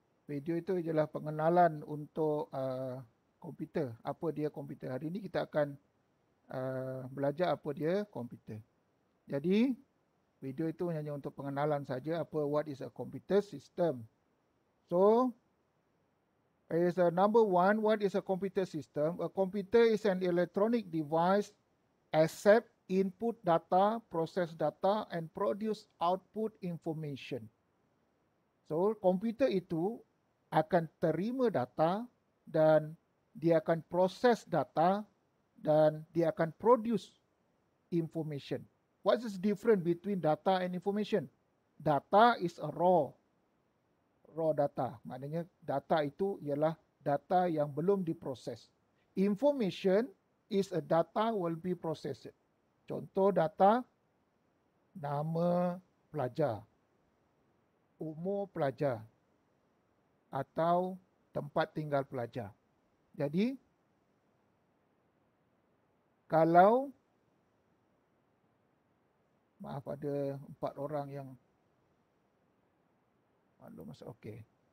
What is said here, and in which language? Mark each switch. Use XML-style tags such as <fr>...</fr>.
<ms>Video itu ialah pengenalan untuk komputer. Apa dia komputer? Hari ini kita akan belajar apa dia komputer. Jadi, video itu hanya untuk pengenalan saja.</ms> <en>Apa, what is a computer system? So, number one, what is a computer system? A computer is an electronic device accept input data, process data, and produce output information.</en> <ms>So komputer itu akan terima data dan dia akan proses data dan dia akan</ms> <en>produce information. What is the difference between data and information? Data is a raw data.</en> <ms>Maknanya data itu ialah data yang belum diproses.</ms> <en>Information is a data will be processed.</en> <ms>Contoh data, nama pelajar, umur pelajar atau tempat tinggal pelajar. Jadi, kalau maaf ada 4 orang yang maklum masuk, okey.</ms>